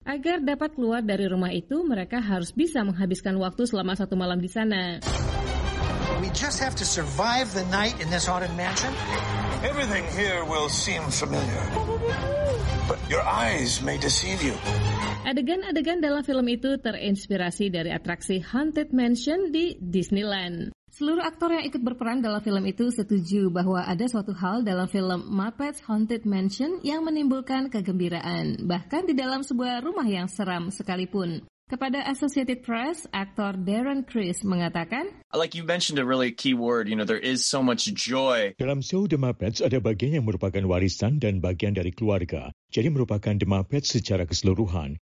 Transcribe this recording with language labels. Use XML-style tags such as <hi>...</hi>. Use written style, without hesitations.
<id>Agar dapat keluar dari rumah itu, mereka harus bisa menghabiskan waktu selama satu malam di sana.</id> <en>We just have to survive the night in this haunted mansion. Everything here will seem familiar. But your eyes may deceive you.</en> <id>Adegan-adegan dalam film itu terinspirasi dari atraksi Haunted Mansion di Disneyland. Seluruh aktor yang ikut berperan dalam film itu setuju bahwa ada suatu hal dalam film Muppets Haunted Mansion yang menimbulkan kegembiraan, bahkan di dalam sebuah rumah yang seram sekalipun. Kepada Associated Press, aktor Darren Criss mengatakan,</id> <en>"Like you mentioned a really key word, you know, there is so much joy."</en> <id>Dalam show The Muppets ada bagian yang merupakan warisan dan bagian dari keluarga. Jadi merupakan The Muppets secara keseluruhan.</id>